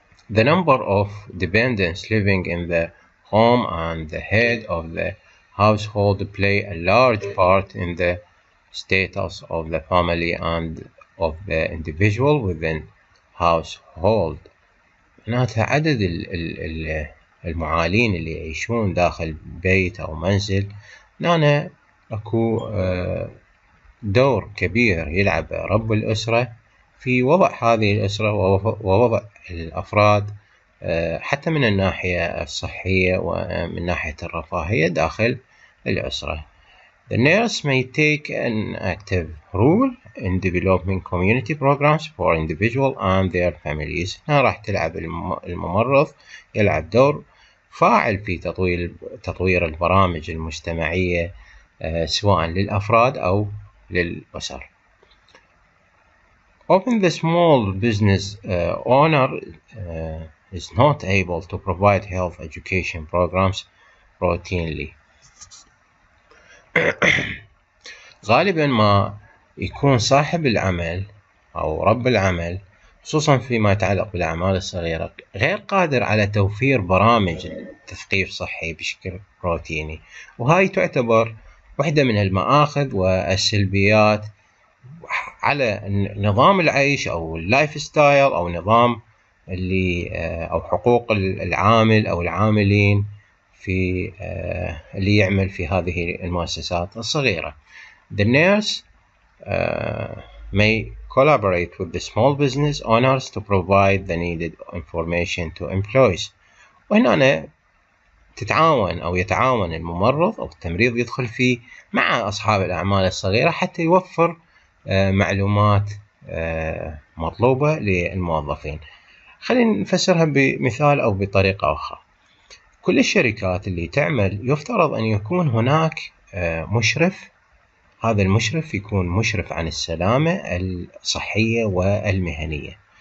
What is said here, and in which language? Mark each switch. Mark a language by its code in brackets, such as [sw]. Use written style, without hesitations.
[en] The number of dependents living in the home and the head of the household play a large part in the status of the family and of the individual within household. [ar] معناتها عدد المعالين اللي يعيشون داخل بيت أو منزل نانا أكو دور كبير يلعب رب الأسرة في وضع هذه الأسرة ووضع الأفراد حتى من الناحية الصحية ومن ناحية الرفاهية داخل الأسرة. [en] The nurse may take an active role in developing community programs for individuals and their families. [ar] هنا راح تلعب الممرض يلعب دور فاعل في تطوير البرامج المجتمعية سواء للأفراد أو للأسر. [en] Often the small business owner is not able to provide health education programs routinely. [ar] غالبا ما يكون صاحب العمل أو رب العمل خصوصا فيما يتعلق بالأعمال الصغيرة غير قادر على توفير برامج تثقيف صحي بشكل روتيني، وهاي تعتبر واحدة من المآخذ والسلبيات على نظام العيش أو [en] اللايف ستايل [ar] أو نظام اللي أو حقوق العامل أو العاملين في اللي يعمل في هذه المؤسسات الصغيرة. [en] The nurse may collaborate with the small business owners to provide the needed information to employees. [ar] وهنا أنا تتعاون أو يتعاون الممرض أو التمريض يدخل فيه مع أصحاب الأعمال الصغيرة حتى يوفر معلومات مطلوبة للموظفين. خلينا نفسرها بمثال أو بطريقة أخرى. كل الشركات اللي تعمل يفترض أن يكون هناك مشرف، هذا المشرف يكون مشرف عن السلامة الصحية والمهنية.